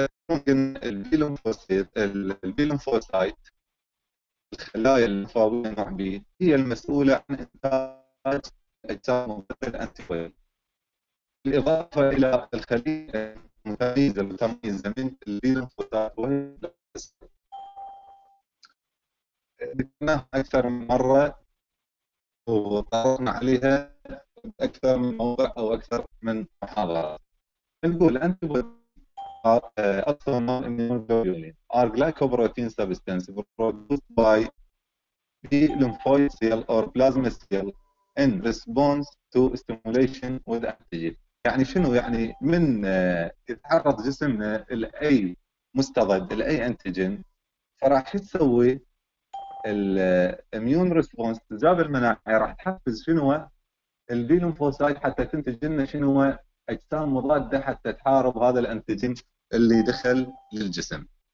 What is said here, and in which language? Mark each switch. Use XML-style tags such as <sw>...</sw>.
<ar>ممكن البي لينفوسايت الخلايا الليمفاوية المعبية هي المسؤولة عن انتاج اجسام مضادة الانتي بودي، بالاضافة الى الخلية المتميزة من البي لينفوسايت وهي ذكرنا أكثر من مرة وطرقنا عليها أكثر من موضع أو أكثر من محاضرات. نقول أنت أصلا من الميونوجلوبولين</ar> <en>are glycoprotein substance produced by the lymphocytes or plasma cell in response to stimulation with antigen.</en> <ar>يعني شنو يعني من يتعرض جسمنا لأي مستضد لأي أنتيجين فراح يتسوي الاميون ريسبونس تجاب المناعي راح تحفز شنو البي لمفوسايت حتى تنتج لنا شنو اجسام مضاده حتى تحارب هذا الانتيجين اللي دخل للجسم.</ar>